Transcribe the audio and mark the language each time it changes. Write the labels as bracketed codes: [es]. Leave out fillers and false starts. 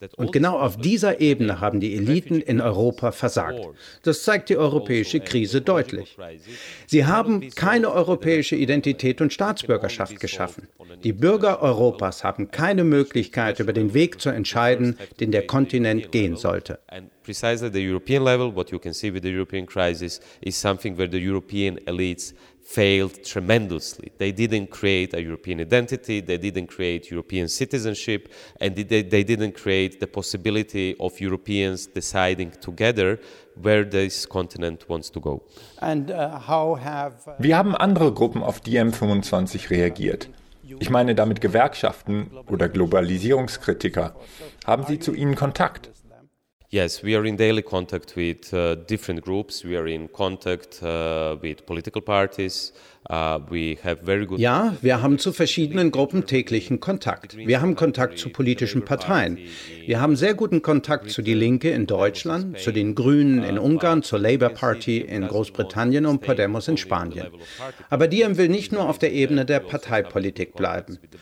[de] Und genau auf dieser Ebene haben die Eliten in Europa versagt. Das zeigt die europäische Krise deutlich. Sie haben keine europäische Identität und Staatsbürgerschaft geschaffen. Die Bürger Europas haben keine Möglichkeit, über den Weg zu entscheiden, den der Kontinent gehen sollte. [en] Precisely the European level, what you can see with the European crisis, is something where the European elites failed tremendously. They didn't create a European identity, they didn't create European citizenship, and they didn't create the possibility of Europeans deciding together where this continent wants to go. [de] Wir haben andere Gruppen auf DiEM25 reagiert. Ich meine damit Gewerkschaften oder Globalisierungskritiker. Haben Sie zu ihnen Kontakt? [en] Yes, we are in daily contact with different groups. We are in contact with political parties. [de] Ja, wir haben zu verschiedenen Gruppen täglichen Kontakt. Wir haben Kontakt zu politischen Parteien. Wir haben sehr guten Kontakt zu Die Linke in Deutschland, zu den Grünen in Ungarn, zur Labour Party in Großbritannien und Podemos in Spanien. Aber Diem will nicht nur auf der Ebene der Parteipolitik bleiben.